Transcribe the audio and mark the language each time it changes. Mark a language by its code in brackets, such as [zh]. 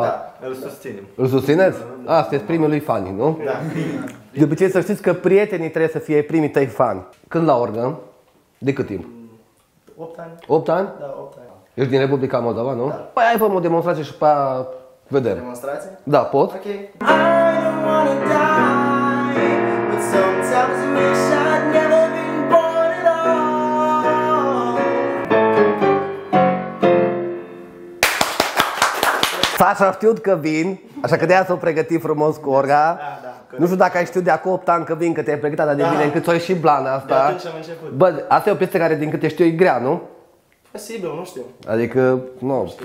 [ro] Da, îl susținem. Îl susțineți? Da, da. Asta-i primul lui fanii, nu? Da. De obicei să știți că prietenii trebuie să fie primii tăi fani. Când la orgă? De cât timp? 8 ani. 8 ani? Da, 8 ani. Ești din Republica Moldova, nu? Da. Păi hai fă-mi o demonstrație și pe aia... Vedem. Demonstrație? Da, pot. [en] Okay. I don't wanna die, but sometimes I wish I'd never been born at all. [ro] Sasha a știut că vin, așa că de-aia s-o pregăti frumos cu orga. Da, da. Nu știu dacă ai știut de acum 8 ani că vin, că te-ai pregătit atât de bine, încât ți-o ieși blană asta. De atunci am început. Bă, asta e o piesă care, din câte știu, e grea, nu? Posibil, nu știu. Adică, no, nu, știu.